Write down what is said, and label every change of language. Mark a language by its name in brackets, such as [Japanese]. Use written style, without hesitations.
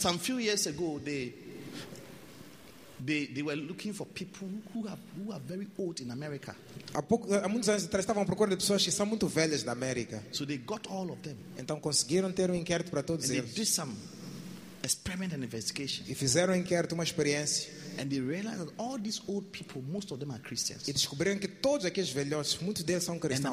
[English] Some few years ago, they were looking for people who are very old in America. [Portuguese] Há muitos anos atrás estavam procurando pessoas que são muito velhas da América. [English] So they got all of them. [Portuguese] Então conseguiram ter um inquérito para todos [English] and [Portuguese] eles. [English] They did some experiment and investigation. [Portuguese] E fizeram um inquérito, uma experiência. [English] And they realized that all these old people, most of them are Christians. [Portuguese] E descobriram que todos aqueles velhotes, muitos deles são cristãos.